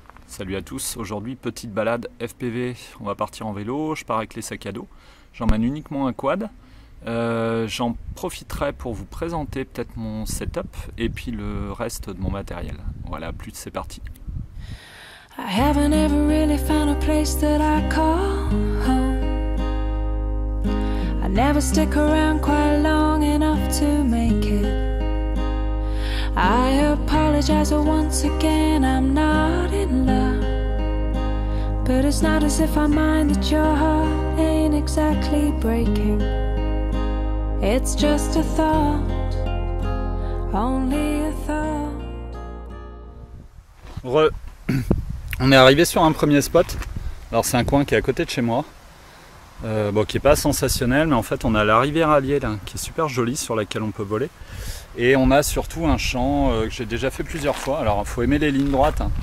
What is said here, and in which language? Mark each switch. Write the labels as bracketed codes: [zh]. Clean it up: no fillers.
[fr] Salut à tous, aujourd'hui petite balade FPV, on va partir en vélo, je pars avec les sacs à dos, j'emmène uniquement un quad, j'en profiterai pour vous présenter peut-être mon setup et puis le reste de mon matériel. Voilà, plus c'est parti. [en] I haven't ever really found a place that I call home. I never stick around quite long enough to make it. I apologize once again, I'm not in love. But it's not as if I mind that your heart ain't exactly breaking. It's just a thought, only a thought. [fr] Re. On est arrivé sur un premier spot. Alors c'est un coin qui est à côté de chez moi. Bon, qui est pas sensationnel, mais en fait on a la rivière Allier là, qui est super jolie, sur laquelle on peut voler. Et on a surtout un champ que j'ai déjà fait plusieurs fois. Alors il faut aimer les lignes droites, hein.